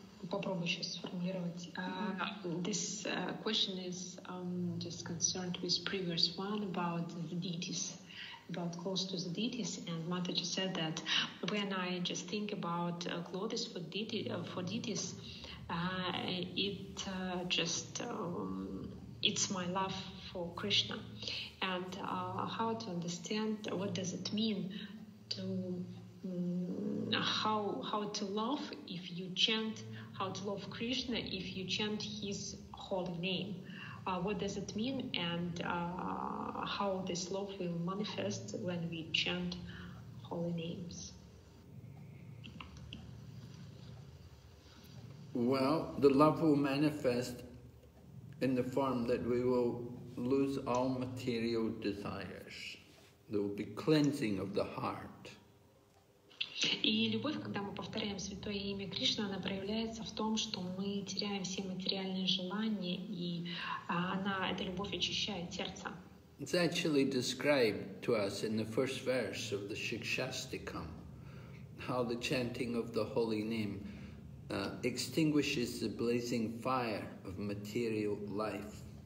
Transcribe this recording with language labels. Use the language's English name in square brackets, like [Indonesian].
[Russian] Попробую сейчас сформулировать. [English] This question is just concerned with previous one about the deities, about clothes to the deities, and Mataji said that when I just think about clothes for deity, for deities, it just it's my love for Krishna. And how to understand, what does it mean to how to love if you chant, how to love Krishna if you chant his holy name? What does it mean, and how this love will manifest when we chant holy names? Well, the love will manifest in the form that we will lose all material desires. There will be cleansing of the heart. [Russian] И любовь, когда мы повторяем святое имя Кришны, она проявляется в том, что мы теряем все материальные желания, и она, эта любовь очищает сердце. [English] It's actually described to us in the first verse of the Shikshastikam, how the chanting of the holy name extinguishes the blazing fire of material life.